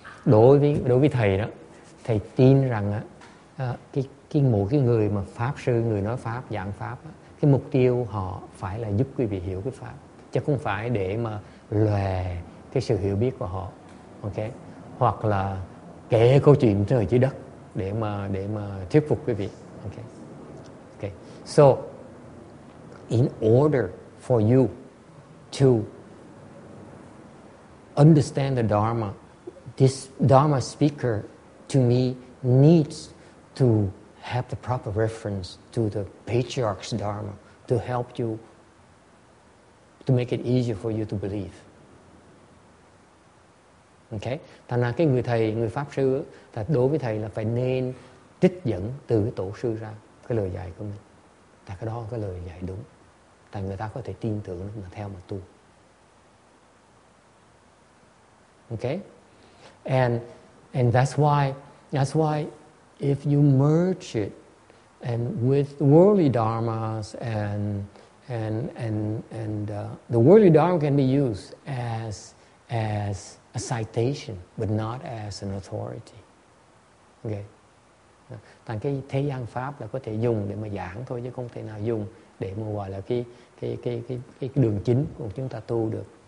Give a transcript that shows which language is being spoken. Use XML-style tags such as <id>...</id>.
<vi>Đối với thầy đó, thầy tin rằng á cái người mà pháp sư, người nói pháp, giảng pháp á, cái mục tiêu họ phải là giúp quý vị hiểu cái pháp, chứ không phải để mà lòe cái sự hiểu biết của họ. Ok. Hoặc là kể câu chuyện trời dưới đất để mà thuyết phục quý vị.</vi> <en>Okay. So in order for you to understand the Dharma, this Dharma speaker to me needs to have the proper reference to the patriarch's Dharma to help you, to make it easier for you to believe. Okay.</en> <vi>Thành ra cái người thầy, người pháp sư là đối với thầy là phải nên trích dẫn từ cái tổ sư ra cái lời dạy của mình. Tại cái đó cái lời dạy đúng. Tại người ta có thể tin tưởng mà theo mà tu.</vi> <en>Okay. And that's why if you merge it and with worldly dharmas the worldly dharma can be used as a citation, but not as an authority. Okay.</en> <vi>Thành cái thế gian pháp là có thể dùng để mà giảng thôi, chứ không thể nào dùng để mà gọi là cái đường chính của chúng ta tu được.</vi>